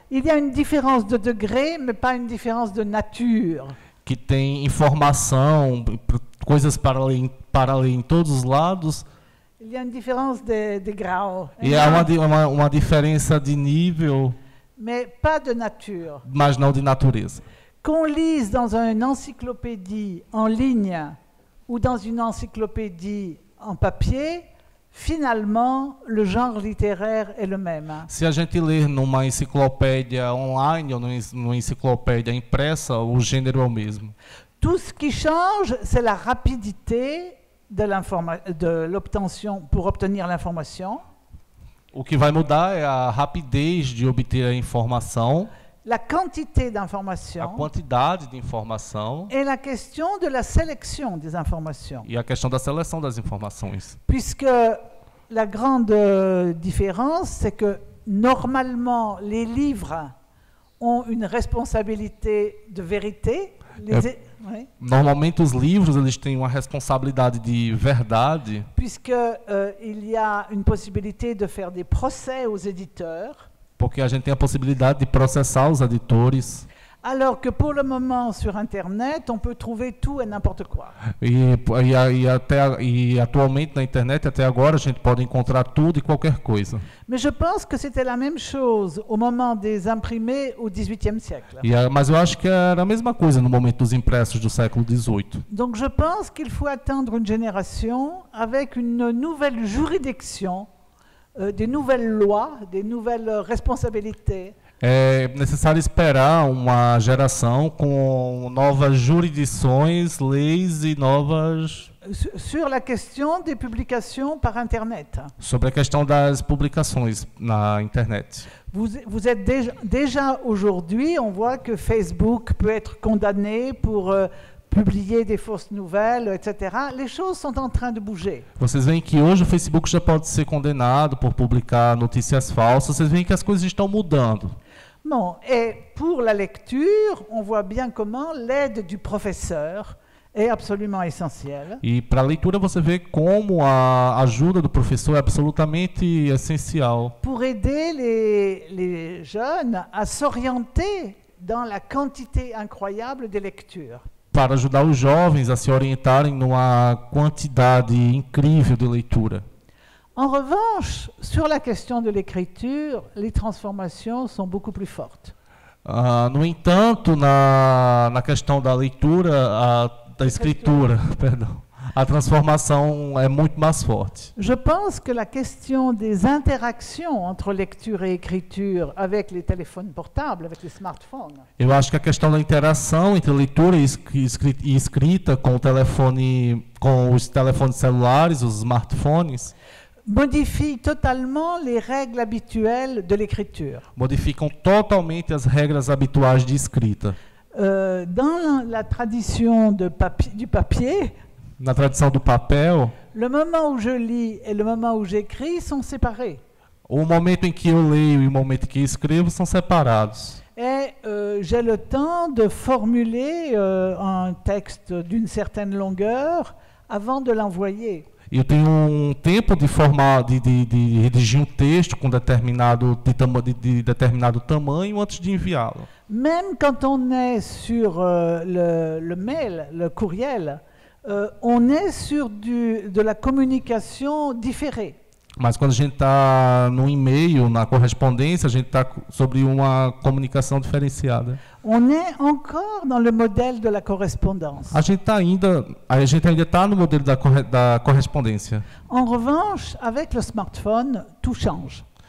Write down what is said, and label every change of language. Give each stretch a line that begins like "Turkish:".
French: Il y a une différence de degré, mais pas une différence de nature.
Portuguese: Que tem informação, coisas para ler em todos os lados.
French: Il y a une différence de grau.
Portuguese: E há uma diferença de nível.
French: mais pas de nature.
Portuguese: Mas não de natureza.
French: Qu'on lise dans une encyclopédie en ligne ou dans une encyclopédie en papier, finalement, le genre littéraire est le même.
Portuguese: Se a gente ler numa enciclopédia online ou numa enciclopédia impressa, o gênero é o mesmo.
French: Tout ce qui change, c'est la rapidité de l'obtention pour obtenir l'information.
Portuguese: O que vai mudar é a rapidez de obter a informação.
French: La quantité d'information.
Portuguese: A quantidade de informação.
French: Et la question de la sélection des informations.
Portuguese: E a questão da seleção das informações.
French: Puisque la grande différence, c'est que normalement les livres ont une responsabilité de vérité.
Portuguese: Normalmente os livros eles têm uma responsabilidade de verdade.
French: Puisque il y a une possibilité de faire des procès aux éditeurs.
Portuguese: Porque a gente tem a possibilidade de processar os editores.
French: Alors que pour le moment sur internet, on peut trouver tout et n'importe quoi.
Portuguese: E atualmente na internet até agora a gente pode encontrar tudo e qualquer coisa.
French: Mais je pense que c'était la même chose au moment des imprimés au 18e siècle.
Portuguese: Mas eu acho que era a mesma coisa no momento dos impressos do século 18.
French: Donc je pense qu'il faut attendre une génération avec une nouvelle juridiction. Des nouvelles lois, des nouvelles responsabilités.
Portuguese: É necessário esperar uma geração com novas jurisdições, leis e novas...
French: Sur la question des publications par internet.
Portuguese: Sobre a questão das publicações na internet.
French: Vous êtes déjà aujourd'hui, on voit que Facebook peut être condamné pour publier des fausses nouvelles, etc. Les choses sont en train de bouger.
Portuguese: Vocês veem que hoje o Facebook já pode ser condenado por publicar notícias falsas. Vocês veem que as coisas estão mudando.
French: Bon, et pour la lecture, on voit bien comment l'aide du professeur est absolument essentielle.
Portuguese: E para a leitura você vê como a ajuda do professor é absolutamente essencial.
French: Pour aider les jeunes à s'orienter dans la quantité incroyable de lecture.
Portuguese: Para ajudar os jovens a se orientarem numa quantidade incrível de leitura.
French: En revanche, sur la question de l'écriture, les transformations sont beaucoup plus fortes.
Portuguese: No entanto, na questão da leitura, da escritura, perdão, a transformação é muito mais forte.
French: Je pense que la question des interactions entre lecture et écriture avec les téléphones portables, avec les smartphones.
Portuguese: Eu acho que a questão da interação entre leitura e escrita com o telefone, com os telefones celulares, os smartphones,
French: modifie totalement les règles habituelles de l'écriture.
Portuguese: Modificam totalmente as regras habituais de escrita.
French: Dans la tradition du papier,
Portuguese: na tradição do papel,
French: le moment où je lis et le moment où j'écris sont séparés.
Portuguese: O momento em que eu leio e o momento em que escrevo são separados.
French: Et j'ai le temps de formuler un texte d'une certaine longueur avant de l'envoyer.
Portuguese: Eu tenho um tempo de formar, de redigir um texto com determinado de determinado tamanho antes de enviá-lo.
French: Même quand on est sur le mail, le courriel, on est sur de la communication différée.
Portuguese: Mas quando a gente está no e-mail, na correspondência, a gente está sobre uma comunicação diferenciada.
French: On est encore dans le modèle de la correspondance.
Portuguese: A gente ainda está no modelo da correspondência.
French: En revanche, avec le smartphone, tout change.